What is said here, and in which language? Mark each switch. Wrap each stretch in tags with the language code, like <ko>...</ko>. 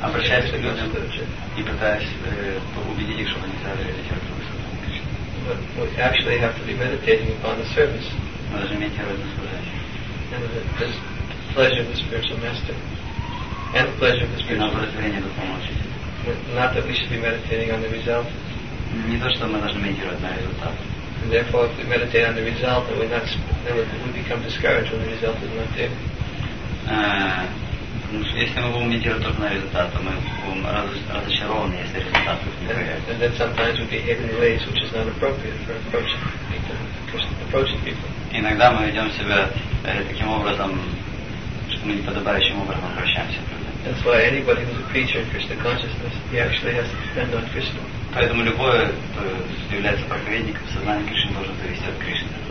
<en>But we actually have to be meditating upon the service. And the pleasure of the spiritual master. And the pleasure of the spiritual master. Not that we should be meditating on the result.</en> <ru>Не то, что мы должны медитировать на результат.</ru> <en>Therefore, if we meditate on the result, then we become discouraged when the result is not there.</en> <ru>если мы будем медитировать только на результат, то мы будем разочарованы, если результат будет неправильный.</ru> <en>And then sometimes we behave in ways which is not appropriate for approaching people.</en> <ru>Иногда мы ведем себя таким образом, что мы неподобающим образом обращаемся.</ru> <en>That's why anybody who's a creature in Krishna consciousness, he actually has to depend on Krishna.</en> <ru>Поэтому любое, кто является проповедником, сознание Кришны должно зависеть от Кришны.</ru>